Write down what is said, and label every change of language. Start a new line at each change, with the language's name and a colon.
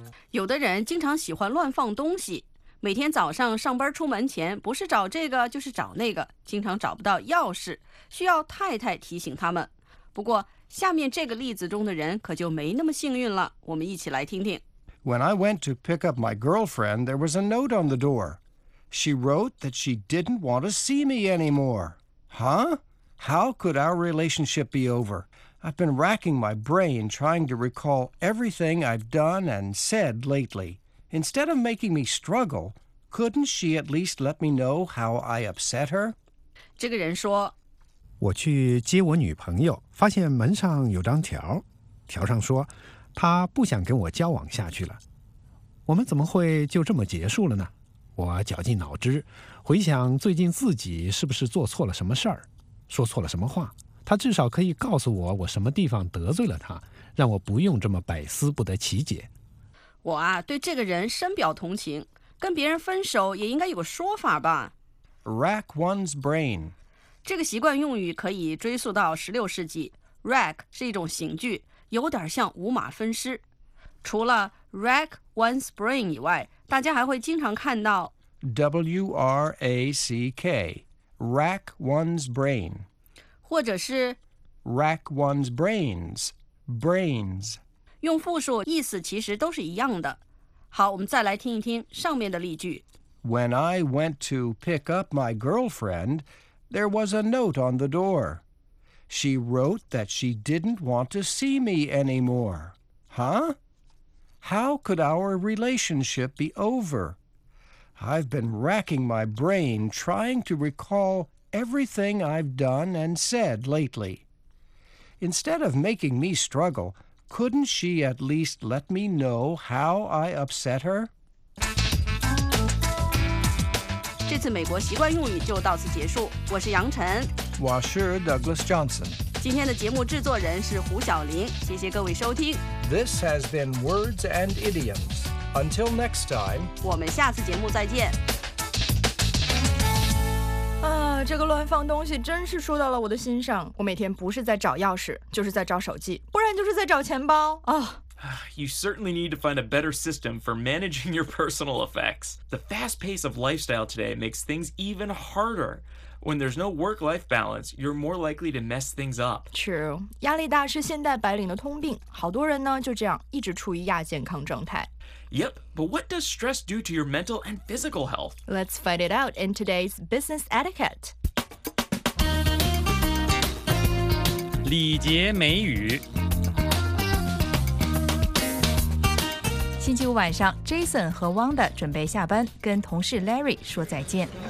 Chinese: 有的人经常喜欢乱放东西，每天早上上班出门前，不是找这个就是找那个，经常找不到钥匙，需要太太提醒他们。不过下面这个例子中的人可就没那么幸运了，我们一起来听听。
English: When I went to pick up my girlfriend, there was a note on the door. She wrote that she didn't want to see me anymore. Huh? How could our relationship be over? I've been racking my brain trying to recall everything I've done and said lately. Instead of making me struggle, couldn't she at least let me know how I upset her?
Chinese: 这个人说，我去接我女朋友，发现门上有张条，条上说她不想跟我交往下去了。我们怎么会就这么结束了呢？我绞尽脑汁回想最近自己是不是做错了什么事儿，说错了什么话，她至少可以告诉我我什么地方得罪了她，让我不用这么百思不得其解。我啊，对这个人深表同情，跟别人分手也应该有个说法吧。
English: Rack one's brain，
Chinese: 这个习惯用语可以追溯到16世纪。 rack 是一种刑具，有点像五马分尸。除了
English: rack one's brain
Chinese: 以外，大家还会经常看到
English: W-R-A-C-K rack one's brain，
Chinese: 或者是
English: rack one's brains brains，
Chinese: 用复数意思其实都是一样的。好，我们再来听一听上面的例句。
English: When I went to pick up my girlfriendThere was a note on the door. She wrote that she didn't want to see me anymore. Huh? How could our relationship be over? I've been racking my brain trying to recall everything I've done and said lately. Instead of making me struggle, couldn't she at least let me know how I upset her?
Chinese: 这次美国习惯用语就到此结束，我是杨晨，我是 Douglas Johnson，今天的节目制作人是胡晓玲，谢谢各位收听。
English: This has been Words and Idioms. Until next time，
Chinese: 我们下次节目再见。啊，这个乱放东西真是说到了我的心上，我每天不是在找钥匙就是在找手机，不然就是在找钱包啊。
English: You certainly need to find a better system for managing your personal effects. The fast pace of lifestyle today makes things even harder. When there's no work-life balance, you're more likely to mess things up. True.
Chinese: 压力大是现代白领的通病，好多人呢就这样一直处于亚健康状态。
English: Yep, but what does stress do to your mental and physical health? Let's find it out in today's business etiquette.
Chinese: 礼节美语。星期五晚上 ，Jason 和 Wanda 准备下班，跟同事 Larry 说再见。